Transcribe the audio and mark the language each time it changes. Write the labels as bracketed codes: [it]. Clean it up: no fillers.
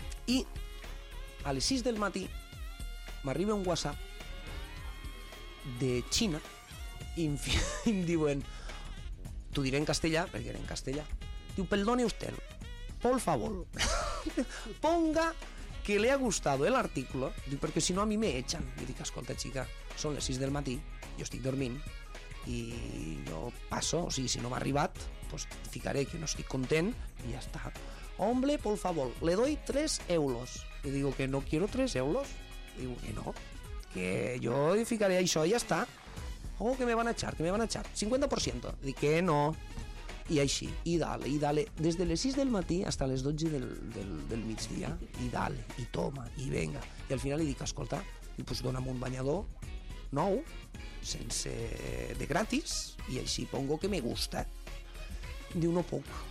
[ca] I a les 6 del matí m'arriba un WhatsApp de Xina i em diuen, t'ho diré en castellà, perquè era en castellà, diu, [es] perdone usted, por favor, ponga que le ha gustado el artículo, [ca] diu, perquè si no [es] a mi me echan. [ca] I dic, escolta, xica, són les 6 del matí, jo estic dormint i jo passo, o sigui, si no m'ha arribat, pues ficaré que no estic content i ja està. [es] Hombre, por favor, le doy 3 euros. [ca] I [es] digo que no quiero 3 euros. Digo que no, [ca] que jo ficaré això i ja està. [es] Oh, que me van a echar. 50%. [ca] Dic que no. I així, i [es] dale. [ca] Des de les 6 del matí fins a les 12 del migdia, i [es] dale, i toma, i venga. [ca] I al final li dic, escolta, pues dona'm un banyador nou, sense, de gratis, i així [es] pongo que me gusta. [ca] Diu, no puc.